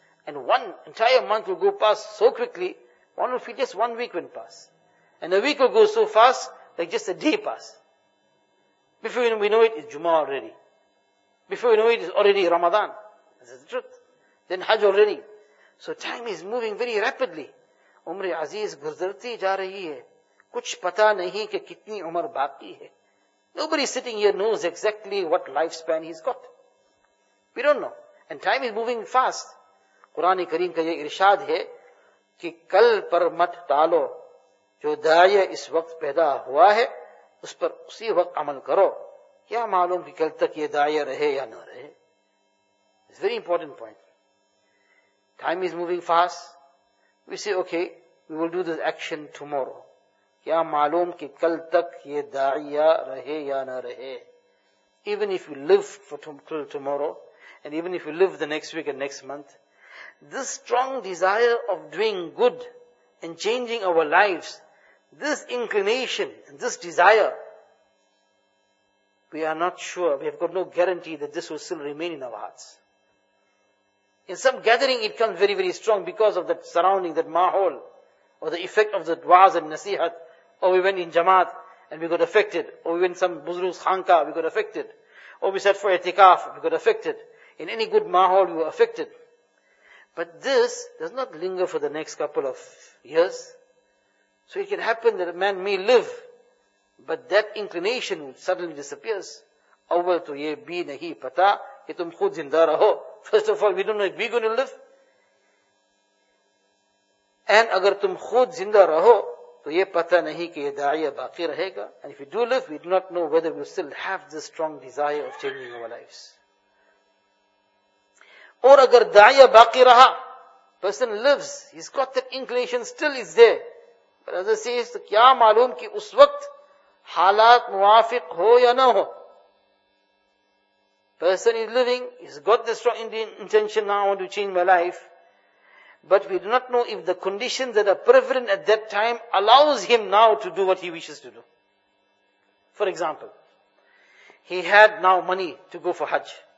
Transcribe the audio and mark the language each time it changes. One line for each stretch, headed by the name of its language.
English: And one entire month will go past so quickly, one will feel just 1 week went past. And a week will go so fast, like just a day passed. Before we know it, it's Jummah already. Before we know it, it's already Ramadan. This is the truth. Then Hajj already. So time is moving very rapidly.
Urdu: عمر عزیز گزرتی جا رہی ہے, کچھ پتا نہیں کہ کتنی عمر باقی ہے.
English: Nobody sitting here knows exactly what lifespan he's got. We don't know. And time is moving fast.
Urdu: قرآن کریم کا یہ ارشاد ہے کہ کل پر مت ٹالو, جو دایا اس وقت پیدا ہوا ہے اس پر اسی وقت عمل کرو. کیا معلوم کہ کل تک یہ دایا رہے یا نہ رہے.
English: It's a very important point. Time is moving fast. We say, okay, we will do this action tomorrow.
Urdu: کیا معلوم کہ کل تک یہ داعیہ رہے یا نہ رہے.
English: Even if you live for till tomorrow, and even if you live the next week and next month, this strong desire of doing good and changing our lives, this inclination, this desire, we are not sure, we have got no guarantee that this will still remain in our hearts. In some gathering it comes very, very strong because of that surrounding, that mahol, or the effect of the du'as and nasihat. Or we went in Jamaat and we got affected. Or we went some Buzruz Khanka, we got affected. Or we sat for Etikaf, we got affected. In any good mahol, we were affected. But this does not linger for the next couple of years. So it can happen that a man may live, but that inclination suddenly disappears.
Urdu: Awwal to ye bhi nahi pata ki tum khud zinda raho.
English: First of all, we don't know if we're going to live.
Urdu: And agar tum khud zinda raho, تو یہ پتہ نہیں کہ یہ داعیہ باقی رہے گا.
English: And if we do live, we do not know whether we still have this strong desire of changing our lives.
Urdu: اور اگر داعیہ باقی رہا,
English: person lives, he's got that inclination, still is there. But as I say, تو کیا معلوم کہ اس وقت حالات موافق ہو یا نہ ہو. Person is living, he's got the strong Indian intention, now I want to change my life. But we do not know if the conditions that are prevalent at that time allows him now to do what he wishes to do. For example, he had now money to go for Hajj.